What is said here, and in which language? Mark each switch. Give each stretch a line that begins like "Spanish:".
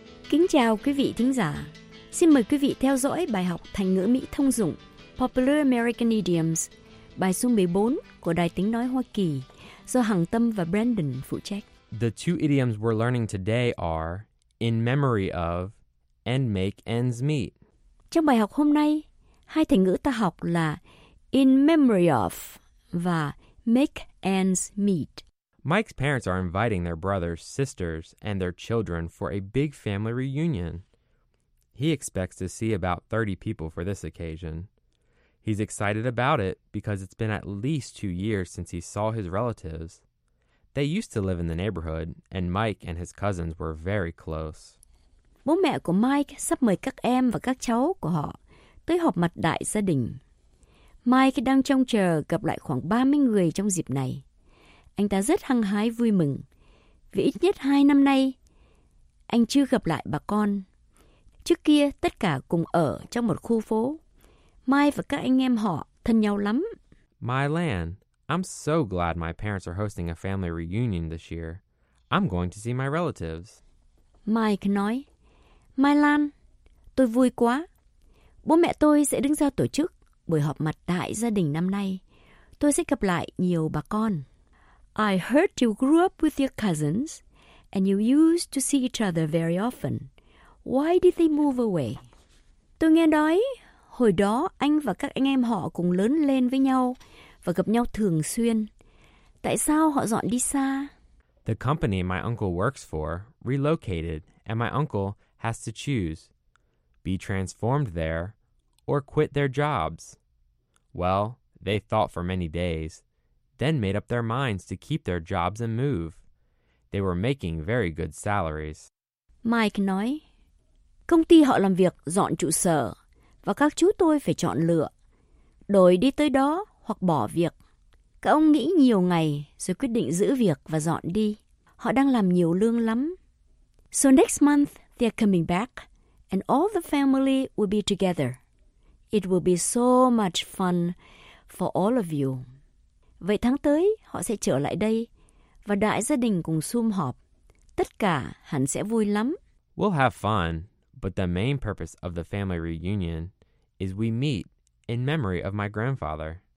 Vietnamese: Kính chào quý vị thính giả. Xin mời quý vị theo dõi bài học thành ngữ Mỹ thông dụng Popular American Idioms, bài số 14 của Đài Tiếng Nói Hoa Kỳ do Hằng Tâm và Brandon phụ trách.
English: The two idioms we're learning today are in memory of and make ends meet.
Vietnamese: Trong bài học hôm nay, hai thành ngữ ta học là
English: in memory of
Vietnamese: và
English: make ends meet. Mike's parents are inviting their brothers, sisters, and their children for a big family reunion. He expects to see about 30 people for this occasion. He's excited about it because it's been at least 2 years since he saw his relatives. They used to live in the neighborhood, and Mike and his cousins were very close.
Vietnamese: Bố mẹ của Mike sắp mời các em và các cháu của họ tới họp mặt đại gia đình. Mike đang trông chờ gặp lại khoảng 30 người trong dịp này. Anh ta rất hăng hái vui mừng, vì ít nhất 2 năm nay, anh chưa gặp lại bà con. Trước kia, tất cả cùng ở trong một khu phố. Mai và các anh em họ thân nhau lắm.
English: My land, I'm so glad my parents are hosting a family reunion this year. I'm going to see my relatives.
Vietnamese: Mike nói, My Lan, tôi vui quá. Bố mẹ tôi sẽ đứng ra tổ chức buổi họp mặt đại gia đình năm nay. Tôi sẽ gặp lại nhiều bà con.
English: I heard you grew up with your cousins, and you used to see each other very often. Why did they move away?
Vietnamese: Tôi nghe nói, hồi đó anh và các anh em họ cùng lớn lên với nhau và gặp nhau thường xuyên. Tại sao họ dọn đi xa?
English: The company my uncle works for relocated, and my uncle has to choose. Be transformed there, or quit their jobs. Well, they thought for many days. Then made up their minds to keep their jobs and move. They were making very good salaries.
Vietnamese: Mike nói, Công ty họ làm việc dọn trụ sở, và các chú tôi phải chọn lựa. Đổi đi tới đó hoặc bỏ việc. Các ông nghĩ nhiều ngày rồi quyết định giữ việc và dọn đi. Họ đang làm nhiều lương lắm.
English: So next month they're coming back, and all the family will be together. It will be so much fun for all of you.
Vietnamese: Vậy tháng tới, họ sẽ trở lại đây, và đại gia đình cùng sum họp. Tất cả hẳn sẽ vui lắm.
English: We'll have fun, but the main purpose of the family reunion is we meet in memory of my grandfather.